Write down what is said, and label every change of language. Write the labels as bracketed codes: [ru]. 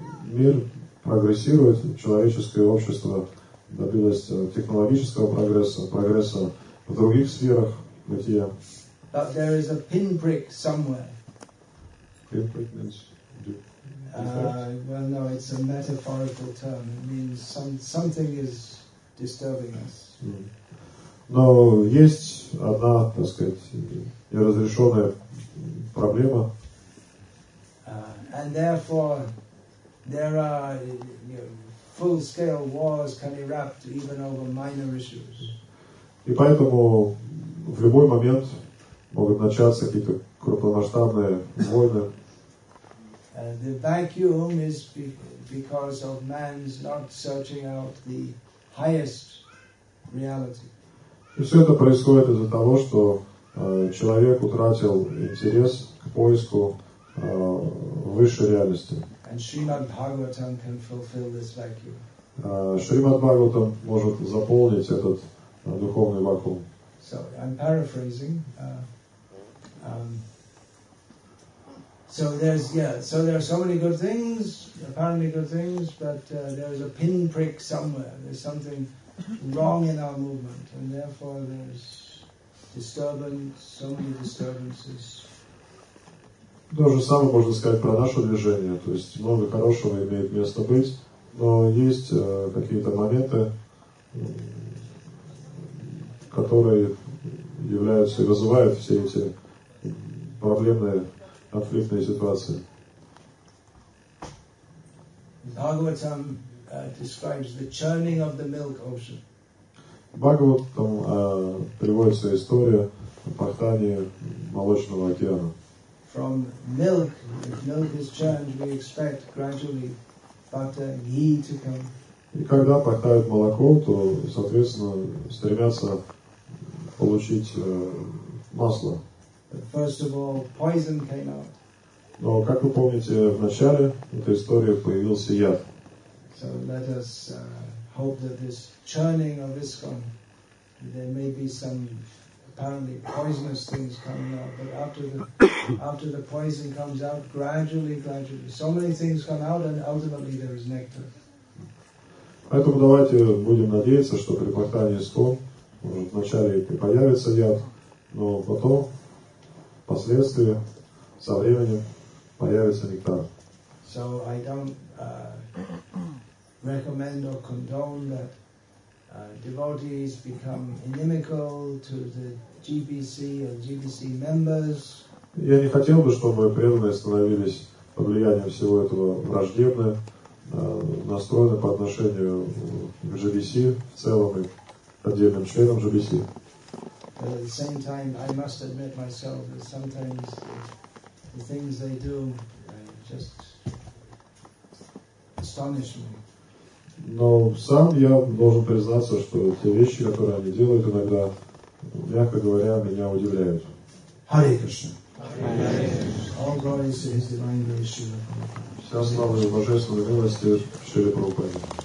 [ru] мир прогрессирует, человеческое общество добилось технологического прогресса, прогресса в других сферах бытия. [en] But there is a pinprick somewhere. Pinprick means well, no, it's a metaphorical term. It means something is disturbing us. [ru] Но есть одна, так сказать, неразрешенная проблема. [en] And therefore, there are full-scale wars can erupt even over minor issues. [ru] И поэтому в любой момент могут начаться какие-то крупномасштабные войны. [en] The vacuum is because of man's not searching out the highest reality. [ru] И все это происходит из-за того, что человек утратил интерес к поиску высшей реальности. [en] And Srimad Bhagavatam can fulfill this vacuum. [ru] Шримад Бхагаватам может заполнить этот духовный вакуум. [en] So I'm paraphrasing. So there are so many good things, apparently good things, but there is a pinprick somewhere. There's something wrong in our movement, and therefore there's disturbance, so many disturbances. [ru] То же самое можно сказать про наше движение. То есть много хорошего имеет место быть, но есть какие-то моменты, которые являются и вызывают все эти проблемные конфликтные ситуации. [en] Bhagavatam describes the churning of the milk ocean. [ru] Bhagavatam приводится история о пахтании молочного океана. [en] From milk, if milk is churned, we expect gradually butter, ghee to come. [ru] И когда пахтают молоко, то, соответственно, стремятся получить масло. [en] First of all, poison came out. [ru] Но, как вы помните, в начале этой истории появился яд. [en] So let us hope that this churning of ISKCON, there may be some apparently poisonous things coming out, but after the poison comes out, gradually, so many things come out, and ultimately there is nectar. [ru] Поэтому давайте будем надеяться, что при пахтании ISKCON вначале и появится яд, но потом, впоследствии, со временем, появится нектар. [en] So I don't recommend or condone that devotees become inimical to the GBC or GBC members. [ru] Я не хотел бы, чтобы преданные становились под влиянием всего этого враждебно настроены по отношению к GBC в целом и отдельным членам GBC. [en] But at the same time, I must admit myself that sometimes the things they do just astonish me. [ru] Но сам я должен признаться, что те вещи, которые они делают иногда, мягко говоря, меня удивляют. [en] Hare Krishna. All glories to His divine grace, Srila Prabhupada. [ru] Вся слава и божественной милости Шри Прабхупаде.